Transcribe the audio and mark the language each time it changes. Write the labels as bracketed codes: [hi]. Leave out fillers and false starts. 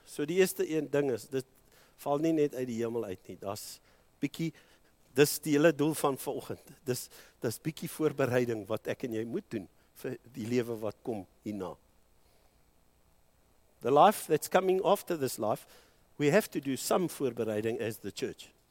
[af] So die eerste een ding is, dit val nie net uit die hemel uit nie. Das bietjie, dis die hele doel van vanoggend. Dis bietjie voorbereiding wat ek en jy moet doen vir die lewe wat kom hierna. [en] The life that's coming after this life, we have to do some voorbereiding as the church.